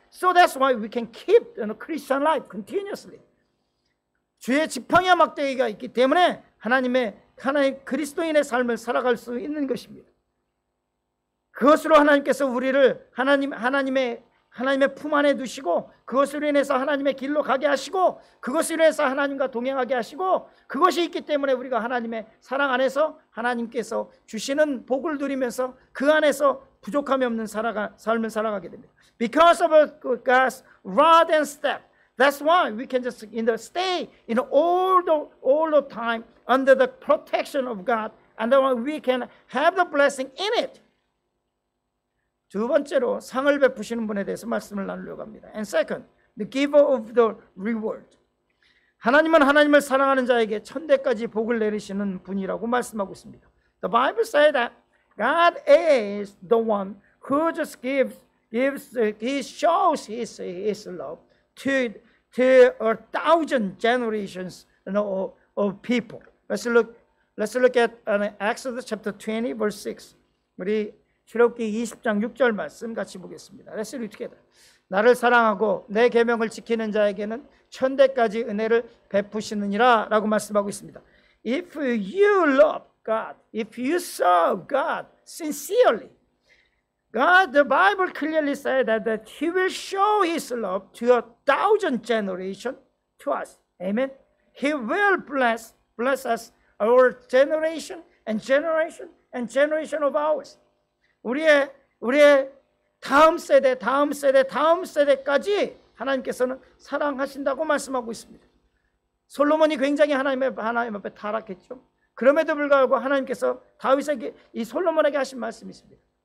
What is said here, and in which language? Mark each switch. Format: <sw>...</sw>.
<en>So that's why we can keep, you know, Christian life continuously.</en> <ko>주의 지팡이와 막대기가 있기 때문에 하나님 그리스도인의 삶을 살아갈 수 있는 것입니다. 그것으로 하나님께서 우리를 하나님의 품 안에 두시고 그것으로 인해서 하나님의 길로 가게 하시고 그것으로 인해서 하나님과 동행하게 하시고 그것이 있기 때문에 우리가 하나님의 사랑 안에서 하나님께서 주시는 복을 누리면서 그 안에서 부족함이 없는 삶을 살아가게 됩니다.</ko> <en>Because of God's rod and staff, that's why we can just in the stay in all the time under the protection of God, and that we can have the blessing in it.</en> <ko>두 번째로 상을 베푸시는 분에 대해서 말씀을 나누려고 합니다.</ko> <en>And second, the giver of the reward.</en> <ko>하나님은 하나님을 사랑하는 자에게 천대까지 복을 내리시는 분이라고 말씀하고 있습니다.</ko> <en>The Bible says that God is the one who just gives He shows his love to a thousand generations of people. Let's look at Exodus chapter 20, verse 6.</en> <ko>우리 출애굽기 20장 6절 말씀 같이 보겠습니다.</ko> <en>Let's read together.</en> <ko>나를 사랑하고 내 계명을 지키는 자에게는 천대까지 은혜를 베푸시느니라 라고 말씀하고 있습니다.</ko> <en>If you love God, if you serve God sincerely, God, the Bible clearly said that he will show his love to a thousand generation to us. Amen. He will bless us, our generation and generation and generation of ours.</en> <ko>우리의 다음 세대까지 하나님께서는 사랑하신다고 말씀하고 있습니다. 솔로몬이 굉장히 하나님 앞에 타락했죠. 그럼에도 불구하고 하나님께서 다윗에게 이 솔로몬에게 하신 말씀이 있습니다.</ko>